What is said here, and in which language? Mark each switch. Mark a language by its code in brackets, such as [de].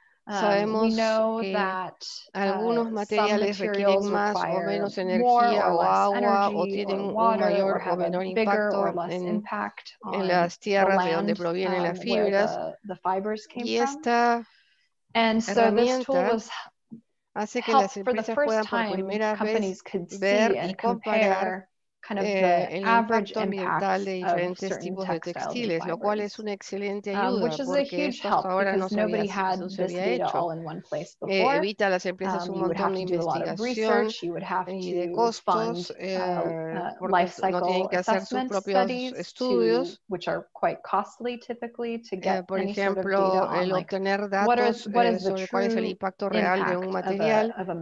[es] Sabemos que algunos materiales requieren más o menos energía o agua o tienen un mayor o menor impacto en las tierras de donde provienen las fibras. Y esta herramienta hace que las empresas puedan por primera vez ver y comparar [en] kind of the average impact [es] de diferentes tipos de textiles, lo cual es una excelente ayuda, [en] which is a huge help because nobody had this data all in one place before. [es] Evita a las empresas un montón de investigación y de costos, [en] life cycle assessment studies, which are quite costly typically to get [es] por ejemplo, el obtener datos sobre cuál es el impacto real de un material.